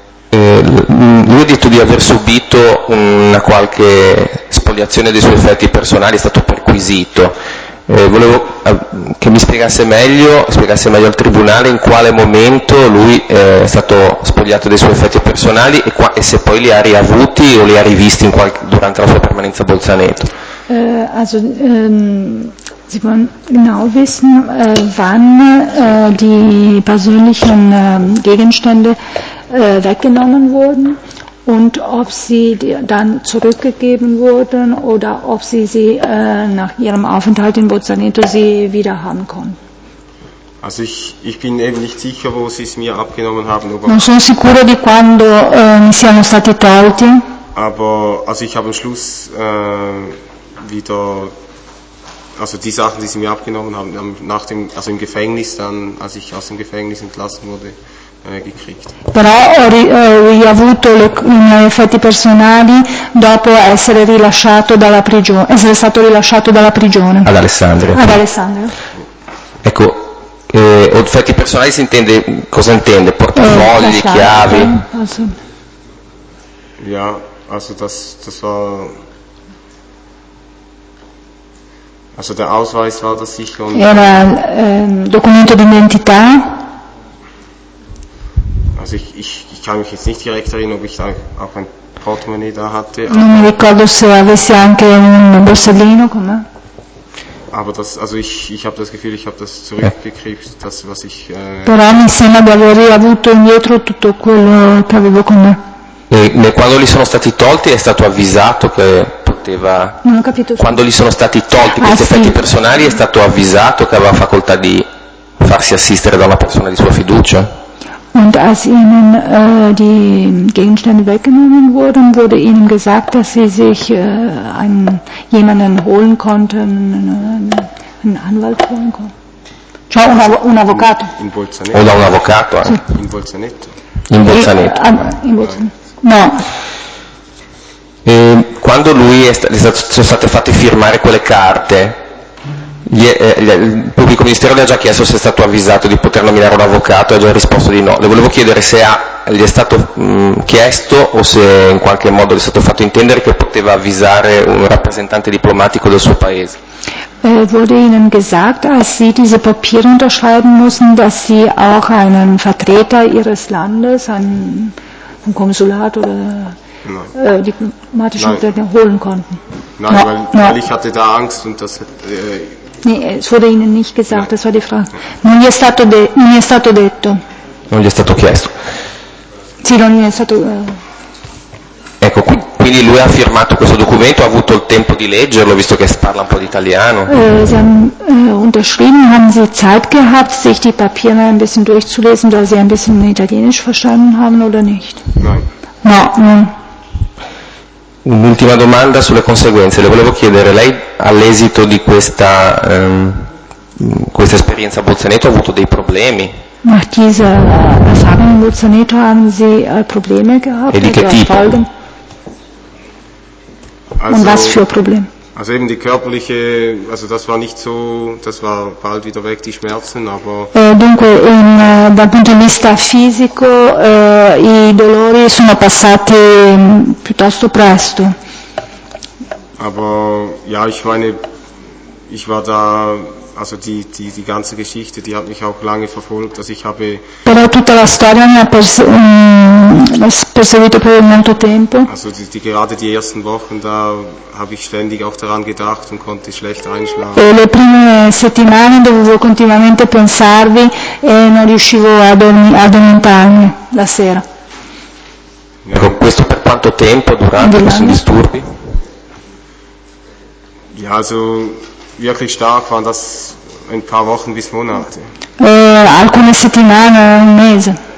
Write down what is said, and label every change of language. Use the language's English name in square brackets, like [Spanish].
[Italian] Lui ha detto di aver subito una qualche spoliazione dei suoi effetti personali, è stato perquisito. Volevo che mi spiegasse meglio al tribunale in quale momento lui è stato spogliato dei suoi effetti personali e se poi li ha riavuti o li ha rivisti durante la sua permanenza a Bolzaneto. [German] Also [Italian] si può [German] genau wissen wann die persönlichen Gegenstände weggenommen wurden und ob sie dann zurückgegeben wurden oder ob sie sie nach ihrem Aufenthalt in Bolzaneto sie wieder haben konnten. Also ich bin eben nicht sicher, wo sie es mir abgenommen haben. [Italian] Non sono sicuro di quando mi siano stati tolti. [German] Aber also ich habe am Schluss wieder also die Sachen, die sie mir abgenommen haben, nach dem also im Gefängnis dann, als ich aus dem Gefängnis entlassen wurde. [Italian] Però ho riavuto i miei effetti personali dopo essere rilasciato dalla prigione, essere stato rilasciato dalla prigione. Ad Alessandria. Ad Alessandria. Ecco, effetti personali si intende, cosa intende? Portafogli, chiavi? [German] Ja, also das war. Also der Ausweis war das sicher. [Italian] Era documento d'identità. [German] Also ich kann mich jetzt nicht direkt erinnern, ob ich da auch ein Portemonnaie da hatte. [Italian] Non mi ricordo se avessi anche un borsellino con me. [German] Aber das, also ich habe das Gefühl, ich habe das zurückgekriegt, das was ich. [Italian] Però mi sembra di aver riavuto indietro tutto quello che avevo con me. E quando li sono stati tolti è stato avvisato che poteva. Non ho capito. Quando li sono stati tolti questi effetti personali è stato avvisato che aveva facoltà di farsi assistere da una persona di sua fiducia? [German] Und als ihnen die Gegenstände weggenommen wurden, wurde ihnen gesagt, dass sie sich jemanden holen konnten, einen Anwalt holen konnten. [Italian] Cioè un avvocato. In Bolzaneto. Oder un avvocato. Sì. In Bolzaneto. In Bolzaneto. In Bolzaneto. No. E quando lui sono state fatte firmare quelle carte, il pubblico ministero le ha già chiesto se è stato avvisato di poter nominare un avvocato e ha già risposto di no. Le volevo chiedere se gli è stato chiesto o se in qualche modo gli è stato fatto intendere che poteva avvisare un rappresentante diplomatico del suo paese. [German] Wurde Ihnen gesagt, als Sie diese Papiere unterschreiben mussten, dass Sie auch einen Vertreter Ihres Landes, ein Konsulat oder diplomatischen Vertreter holen konnten? Nein, weil ich hatte da Angst und das. Nee, es wurde Ihnen nicht gesagt, das war die Frage. [Italian] Non gli è stato detto. Non gli è stato chiesto. Sì, non gli è stato. Ecco, qui quindi lui ha firmato questo documento, ha avuto il tempo di leggerlo, visto che parla un po' di italiano. [German] Sie haben unterschrieben, haben Sie Zeit gehabt, sich die Papiere ein bisschen durchzulesen, da Sie ein bisschen Italienisch verstanden haben oder nicht? Nein. [Italian] No. Un'ultima domanda sulle conseguenze. Le volevo chiedere, lei all'esito di questa questa esperienza a Bolzaneto ha avuto dei problemi? [German] Nach dieser Erfahrung in Bolzaneto haben Sie Probleme gehabt? [Italian] E di che tipo? [German] Folgen? Also, und was für Probleme? Also eben die körperliche, also das war nicht so, das war bald wieder weg, die Schmerzen, aber... [Italian] Dunque, dal punto di vista fisico, i dolori sono passati piuttosto presto. [German] Aber, ja, ich meine, ich war da... Also die ganze Geschichte, die hat mich auch lange verfolgt, dass ich habe. [Italian] Però tutta la storia mi ha perseguito per molto tempo. [German] Also die gerade die ersten Wochen, da habe ich ständig auch daran gedacht und konnte schlecht einschlafen. [Italian] E le prime settimane dovevo continuamente pensarvi e non riuscivo a addormentarmi la sera. Ecco, questo per quanto tempo durante questi disturbi? [German] Ja, also wirklich stark waren das ein paar Wochen bis Monate. [Italian] Alcune settimane, un mese.